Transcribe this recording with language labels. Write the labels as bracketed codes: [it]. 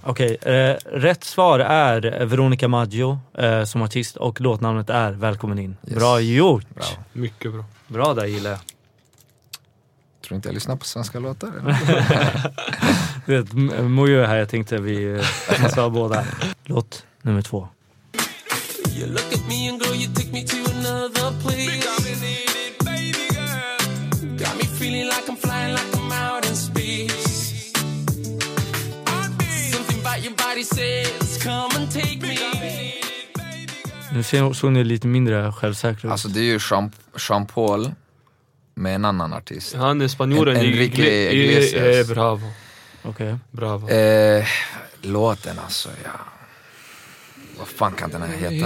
[sv] Okej, okay, rätt svar är Veronica Maggio som artist och låtnamnet är Välkommen in. Yes. Bra gjort! Bravo. Mycket bra. Bra där, gillar jag. Tror du inte jag lyssnar på svenska låtar? Det Mojo är här, jag tänkte vi sa båda. Låt nummer två. [en] You look at me and girl, you take me to another place. Think I'm in need it, baby girl. Got me feeling like I'm flying, like I'm out in space. Something about your body says, come and take me. [sv] Nu såg ni lite mindre självsäkert. Alltså det är ju Jean-Paul med en annan artist. Han är spanjoren. Enrique Iglesias. Bravo. Okej. Okay. Bravo. Låten alltså, ja. Vad fan kan den här heta?